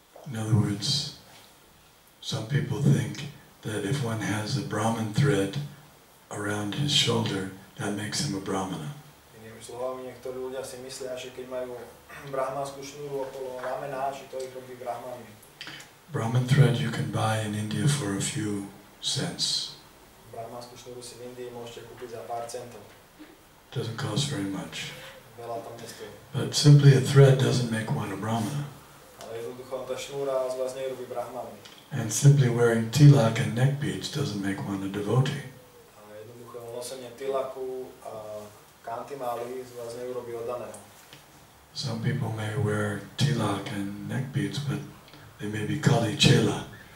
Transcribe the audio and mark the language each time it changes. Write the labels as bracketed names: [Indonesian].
[English] In other words, some people think that if one has a Brahmin thread around his shoulder, that makes him a Brahmana. [Slovak] Slovami niektorí ľudia si myslia, že keď majú brahmanskú šnúru okolo ramena, že to ich robí brahmanmi. [English] Brahman thread you can buy in India for a few cents. [Slovak] Brahmanskú šnúru si v Indii môžete kúpiť za pár centov. [English] Doesn't cost very much. [Slovak] Veľa tam nestojí. [English] But simply a thread doesn't make one a brahmana. [Slovak] Ale jednoducho tá šnúra z vás nerobí brahmanmi. [English] And simply wearing tilak and neck beads doesn't make one a devotee. [Slovak] A jednoducho nosenie tilaku a [English] some people may wear tilak and neck beads, but they may be Kali Chela.